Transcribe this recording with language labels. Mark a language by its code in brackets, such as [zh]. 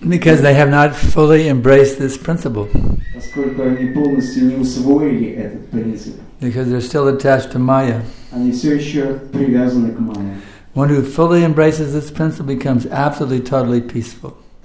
[en] Because they have not fully embraced this principle. [ru] Поскольку они полностью не усвоили этот принцип. [en] Because they're still attached to Maya. [ru] Они все еще привязаны к Майе. [en] One who fully embraces this principle becomes absolutely, totally peaceful.